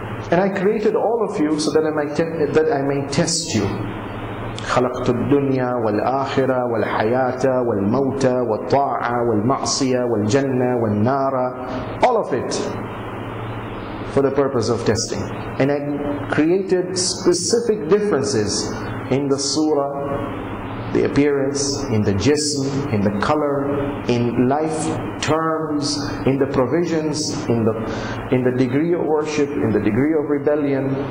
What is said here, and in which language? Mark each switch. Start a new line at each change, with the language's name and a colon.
English: And I created all of you so that I may test you.
Arabic: خَلَقْتُ الدُّنْيَا وَالْآخِرَةَ وَالْحَيَاةَ وَالْمَوْتَ وَالطَّاعَةَ وَالْمَعْصِيَةَ وَالْجَنَّةَ وَالنَّارَ,
English: all of it for the purpose of testing. And I created specific differences in the surah, the appearance, in the jism, in the color, in life terms, in the provisions, in the degree of worship, in the degree of rebellion.